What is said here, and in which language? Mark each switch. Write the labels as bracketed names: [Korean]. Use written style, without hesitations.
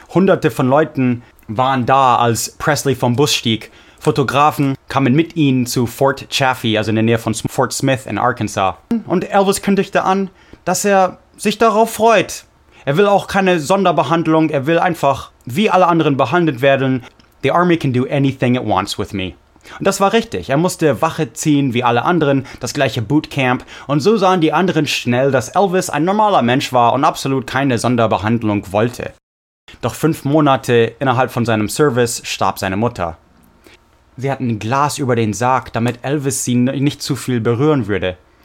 [German] Hunderte von Leuten waren da, als Presley vom Bus stieg. Fotografen kamen mit ihnen zu Fort Chaffee, also in der Nähe von Fort Smith in Arkansas. Und Elvis kündigte an, dass er sich darauf freut. Er will auch keine Sonderbehandlung, er will einfach wie alle anderen behandelt werden. [English] The Army can do anything it wants with me. [German] Und das war richtig. Er musste Wache ziehen wie alle anderen, das gleiche Bootcamp. Und so sahen die anderen schnell, dass Elvis ein normaler Mensch war und absolut keine Sonderbehandlung wollte. Doch 5 Monate innerhalb von seinem Service starb seine Mutter. Sie hatten Glas über den Sarg, damit Elvis sie nicht zu viel berühren würde.